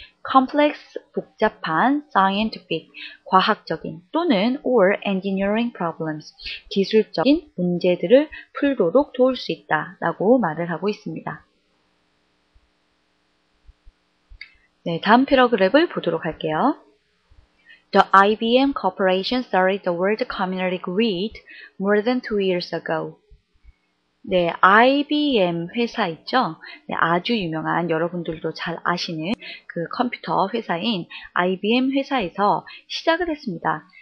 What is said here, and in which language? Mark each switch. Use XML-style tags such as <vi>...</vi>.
<ko>complex, 복잡한, scientific, 과학적인 또는</ko> <en>or engineering problems,</en> <ko>기술적인 문제들을 풀도록 도울 수 있다 라고 말을 하고 있습니다. 네, 다음 패러그랩을 보도록 할게요.</ko> <en>The IBM Corporation started the world community grid more than 2 years ago.</en> <ko>네, IBM 회사 있죠? 네, 아주 유명한 여러분들도 잘 아시는 그 컴퓨터 회사인 IBM 회사에서 시작을 했습니다.</ko>